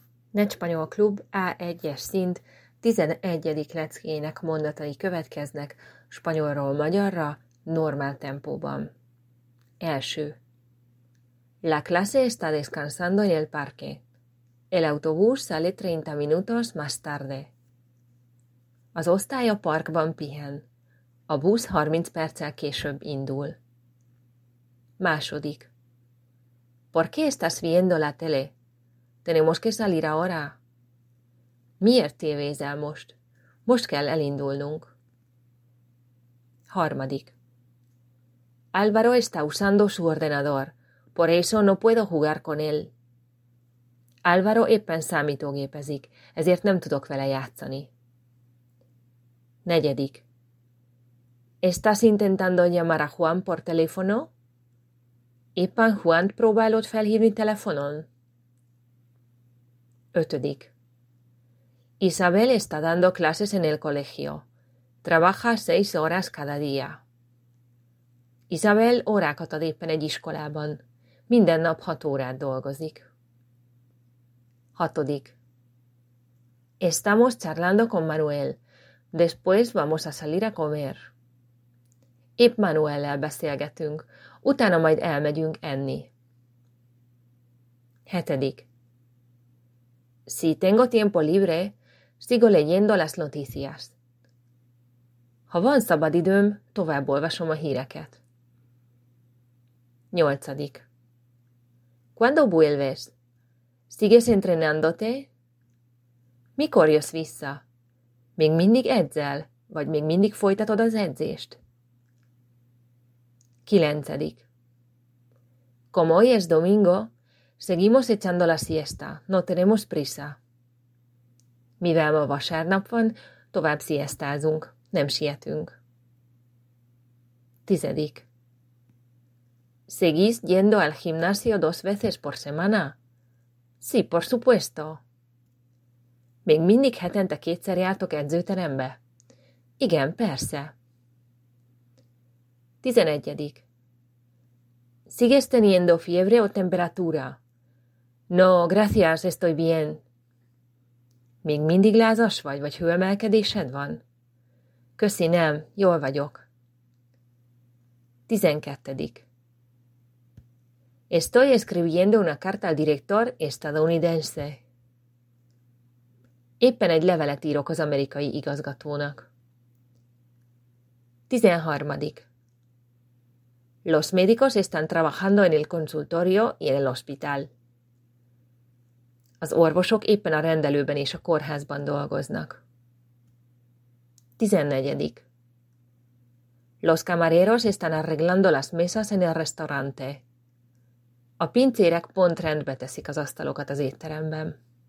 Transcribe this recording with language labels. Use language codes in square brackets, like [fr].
[hu] Ne csapanyog a klub, A1-es szint, 11. leckéjének mondatai következnek spanyolról magyarra, normál tempóban. Első. [es] La clase está descansando en el parque. El autobús sale 30 minutos más tarde. [hu] Az osztály a parkban pihen. A busz 30 perccel később indul. Második. [es] ¿Por qué estás viendo la tele? Tenemos que salir ahora. [hu] Miért tévézel most? Most kell elindulnunk. Harmadik. [es] Álvaro está usando su ordenador. Por eso no puedo jugar con él. [hu] Álvaro éppen számítógépezik, ezért nem tudok vele játszani. Negyedik. [es] ¿Estás intentando llamar a Juan por teléfono? [hu] Éppen Juant próbálod felhívni telefonon? Ötödik. [es] Isabel está dando clases en el colegio. Trabaja 6 horas cada día. [hu] Isabel órákat ad éppen egy iskolában. Minden nap 6 órát dolgozik. Hatodik. [es] Estamos charlando con Manuel. Después vamos a salir a comer. [hu] Épp Manuellel beszélgetünk. Utána majd elmegyünk enni. Hetedik. [es] Si tengo tiempo libre, sigo leyendo las noticias. [hu] Ha van szabad időm, tovább olvasom a híreket. Nyolcadik. [es] ¿Cuándo vuelves? ¿Sigues entrenándote? [hu] Mikor jössz vissza? Még mindig edzel? Vagy még mindig folytatod az edzést? Kilencedik. [es] Como hoy es domingo, seguimos echando la siesta, no tenemos prisa. [hu] Mivel ma vasárnap van, tovább siestázunk, nem sietünk. Tizedik. [es] ¿Seguís yendo al gimnasio 2 veces por semana? Sí, por supuesto. [hu] Még mindig hetente 2-szer jártok edzőterembe? Igen, persze. Tizenegyedik. [es] ¿Sigues teniendo fiebre o temperatura? No, gracias, estoy bien. [hu] Még mindig lázas vagy hőemelkedésed van? Köszi, nem, jól vagyok. Tizenkettedik. [es] Estoy escribiendo una carta al director estadounidense. [hu] Éppen egy levelet írok az amerikai igazgatónak. Tizenharmadik. [es] Los médicos están trabajando en el consultorio y en el hospital. [hu] Az orvosok éppen a rendelőben és a kórházban dolgoznak. Tizennegyedik. [es] Los camareros están arreglando las mesas en el restaurante. [hu] A pincérek pont rendbe teszik az asztalokat az étteremben.